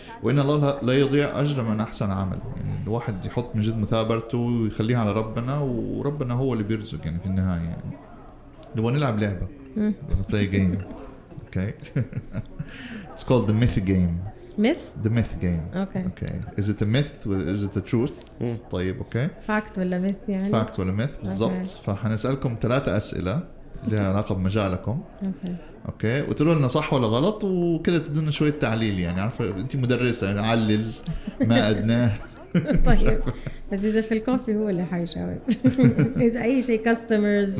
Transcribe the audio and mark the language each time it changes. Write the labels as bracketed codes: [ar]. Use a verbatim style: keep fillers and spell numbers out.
[ar] وان الله لا يضيع اجر من احسن عمل يعني. الواحد يحط من جد مثابرته ويخليها على ربنا، وربنا هو اللي بيرزق يعني في النهايه. يعني نبغى نلعب لعبه، [en] Play game okay it's called the myth game. myth the myth game okay okay is it a myth is it the truth mm. [ar] طيب اوكي fact ولا myth يعني [en] fact ولا myth بالضبط okay. [ar] فحنسألكم ثلاثة أسئلة اللي علاقة بمجالكم [en] okay [ar] اوكي وتقولوا لنا صح ولا غلط وكده تدونا شوية تعليل يعني عارفة انت مدرسة يعني علل ما أدناه طيب بس إذا في الكوفي هو اللي حيشاور إذا أي شيء كاستمرز